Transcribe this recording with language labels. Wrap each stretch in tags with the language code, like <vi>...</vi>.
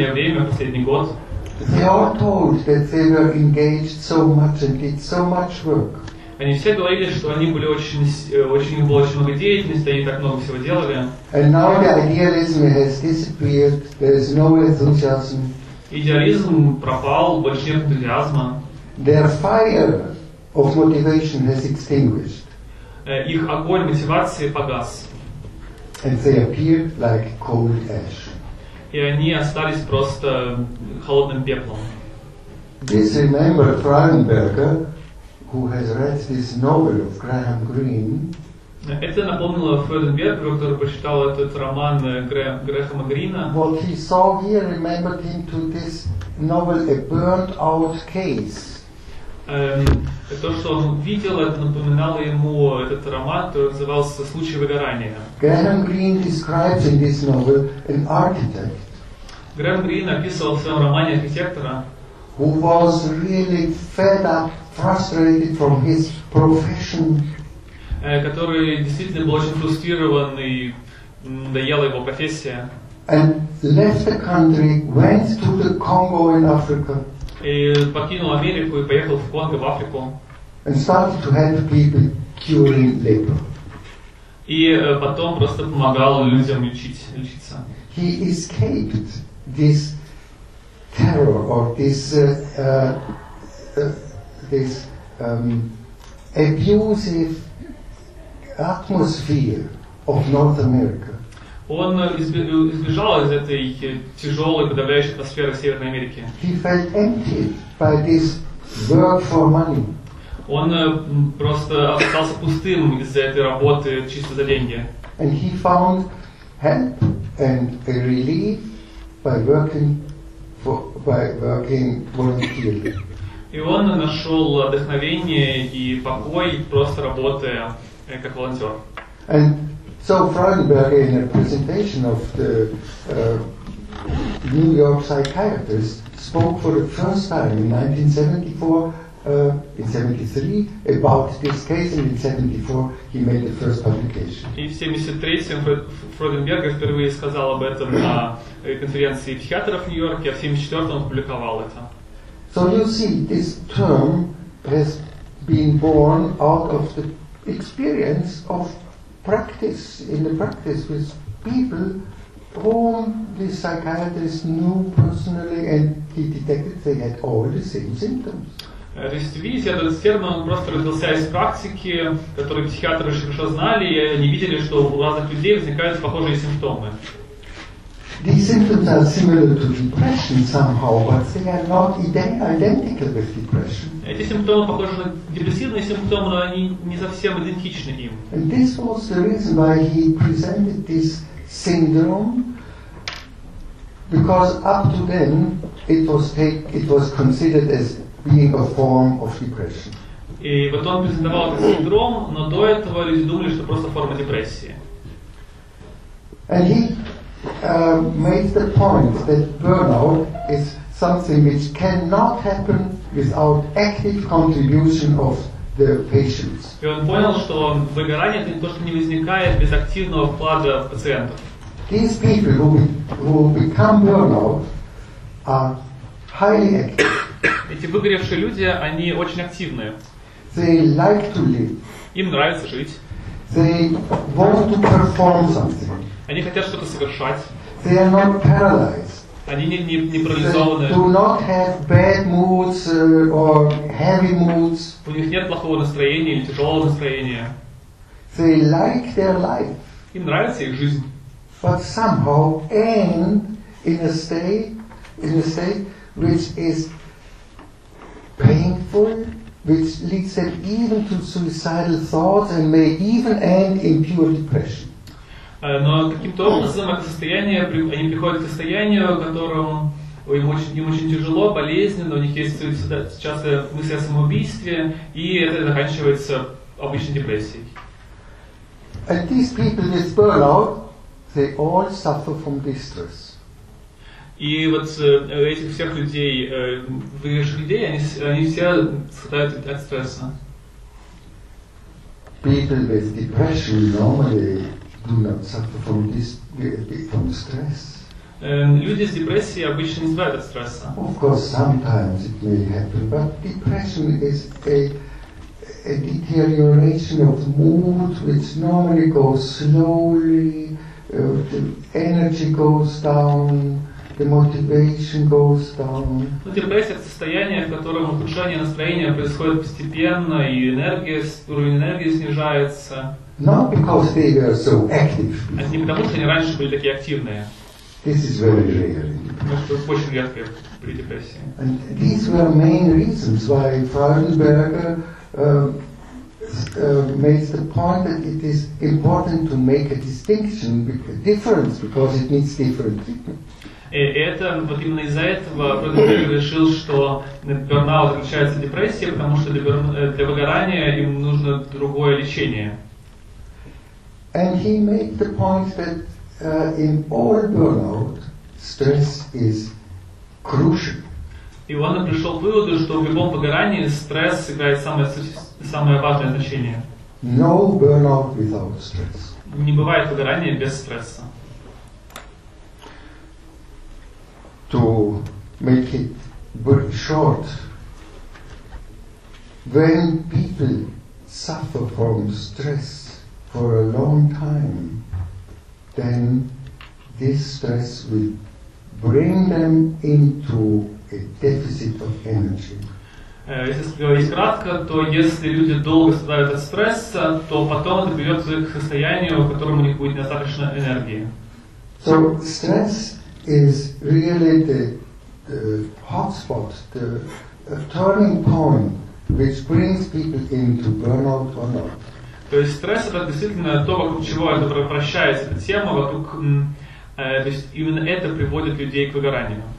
<en>They all told that they were engaged so much and did so much work.</en> <ru>Они все говорили, что они были очень было очень много деятельности, они так много всего делали.</ru> <en>And now the idealism has disappeared. There is no enthusiasm.</en> <ru>Идеализм пропал, больше нет энтузиазма.</ru> <en>Their fire of motivation has extinguished.</en> <ru>Их огонь мотивации погас.</ru> <en>And they appeared like cold ash.</en> <ru>И они остались просто холодным пеплом.</ru> <en>This remember Freudenberger, who has read this novel of Graham Greene.</en> <ru>Это напомнило Фрёденберга, который прочитал этот роман Грэхэма Грина.</ru> <en>What he saw here remembered him to this novel A Burnt Out Case.</en> <ru>То, что он видел, это напоминало ему этот роман, который назывался «Случай выгорания».</ru> <en>Graham Greene describes in this novel an architect.</en> <ru>Graham Greene описывал в своем романе архитектора,</ru> <en>who was really fed up, frustrated from his profession.</en> <ru>Который действительно был очень фрустрирован и надоела его профессия.</ru> <en>And left the country, went to the Congo in Africa.</en> <ru>И покинул Америку и поехал в Конго, в Африку.</ru> <en>And started to help people curing labor.</en> <ru>И потом просто помогал людям лечиться.</ru> <en>He escaped this terror or this abusive atmosphere of North America.</en> <ru>Он избежал из этой тяжелой, подавляющей атмосферы Северной Америки.</ru> <en>He felt emptied by this work for money.</en> <ru>Он просто остался пустым из-за этой работы чисто за деньги.</ru> <en>And he found help and a relief by working for by working voluntarily.</en> <ru>И он нашел вдохновение и покой просто работая как волонтер.</ru> <en>And so Freudenberg, in a presentation of the New York psychiatrist, spoke for the first time in 1973 about this case, and in 1974 he made the first publication.</en> <ru>И в 73-м Фройденберг впервые сказал об этом на конференции психиатров в Нью-Йорке, а в 74-м он опубликовал это.</ru> <en>So you see, this term has been born out of the experience of practice, in the practice with people whom the psychiatrist knew personally, and he detected they had all the same symptoms.</en> <ru>То есть, видите, этот термин просто родился из практики, которую психиатры очень хорошо знали, и они видели, что у разных людей возникают похожие симптомы.</ru> <en>These symptoms are similar to depression somehow, but they are not identical with depression.</en> <ru>Эти симптомы похожи на депрессивные симптомы, но они не совсем идентичны им.</ru> <en>And this was the reason why he presented this syndrome, because up to then it was considered as being a form of depression.</en> <ru>И вот он презентовал этот синдром, но до этого люди думали, что просто форма депрессии.</ru> <en>And he made the point that burnout is something which cannot happen without active contribution of the patients.</en> <ru>И он понял, что выгорание это не то, что не возникает без активного вклада пациентов.</ru> <en>These people who become burnout are highly active.</en> <ru>Эти выгоревшие люди, они очень активные.</ru> <en>They like to live.</en> <ru>Им нравится жить.</ru> <en>They want to perform something.</en> <ru>Они хотят что-то совершать.</ru> <en>They are not paralyzed.</en> <ru>Они не парализованы.</ru> <en>They do not have bad moods or heavy moods.</en> <ru>У них нет плохого настроения или тяжелого настроения.</ru> <en>They like their life.</en> <ru>Им нравится их жизнь.</ru> <en>But somehow end in a state which is painful, which leads them even to suicidal thoughts and may even end in pure depression.</en> <ru>Но каким-то образом это состояние, они приходят к состоянию, в котором им очень тяжело, болезненно, у них есть часто мысли о самоубийстве, и это заканчивается обычной депрессией.</ru> <en>And these people with burnout, they all suffer from distress.</en> <ru>И вот этих всех людей, выживших людей, они все страдают от стресса.</ru> <en>People with depression normally do not suffer from stress.</en> <ru>Люди с депрессией обычно не страдают от стресса.</ru> <en>Of course, sometimes it may happen, but depression is a deterioration of mood, which normally goes slowly. The energy goes down, the motivation goes down.</en> <ru>Ну, депрессия — это состояние, в котором ухудшение настроения происходит постепенно, и уровень энергии снижается.</ru> <en>Not because they were so active.</en> <ru>А не потому, что они раньше были такие активные.</ru> <en>This is very rare.</en> <ru>Это очень редко при депрессии.</ru> <en>And these were main reasons why Freudenberger makes the point that it is important to make a distinction, a difference, because it means different.</en> <ru>И это, вот именно из-за этого Прудентель решил, что бернаут отличается от депрессии, потому что для выгорания им нужно другое лечение.</ru> <en>And he made the point that in all burnout, stress is crucial.</en> <ru>И он пришел к выводу, что в любом выгорании стресс играет самое важное значение.</ru> <en>No burnout without stress.</en> <ru>Не бывает выгорания без стресса.</ru> <en>To make it very short, when people suffer from stress for a long time, then this stress will bring them into a deficit of energy.</en> <ru>Если говорить кратко, то если люди долго страдают от стресса, то потом это приведет к состоянию, в котором у них будет недостаточно энергии.</ru> <en>So stress is really the hotspot, the turning point, which brings people into burnout or not.</en> <ru>То есть стресс это действительно то, вокруг чего это превращается тема, вокруг, то есть именно это приводит людей к выгоранию.</ru>